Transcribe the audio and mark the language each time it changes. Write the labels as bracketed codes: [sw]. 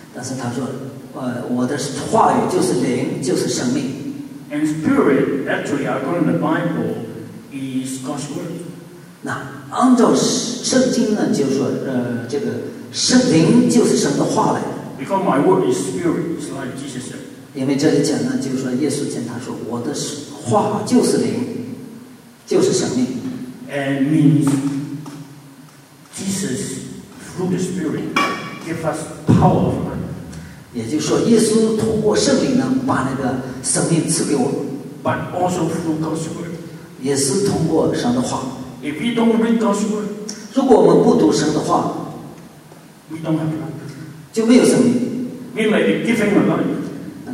[zh] 但是他说，我的话语就是灵，就是生命。 [en] And spirit, actually, according to the Bible, is God's word. [zh] 那按照圣经呢，就是说，这个圣灵就是神的话来的。 [en] Because my word is spirit, it's like Jesus said. [zh] 因为这里讲呢，就是说，耶稣见他说，我的话就是灵，就是生命。 [en] And means Jesus through the Spirit give us power of life. [zh] 也就是说，耶稣通过圣灵呢，把那个生命赐给我们。 [en] But also through God's word， [zh] 也是通过神的话。 [en] If we don't read God's word， [zh] 如果我们不读神的话 [en] ，we don't have life， [zh] 就没有生命。 [en] We may be given a life，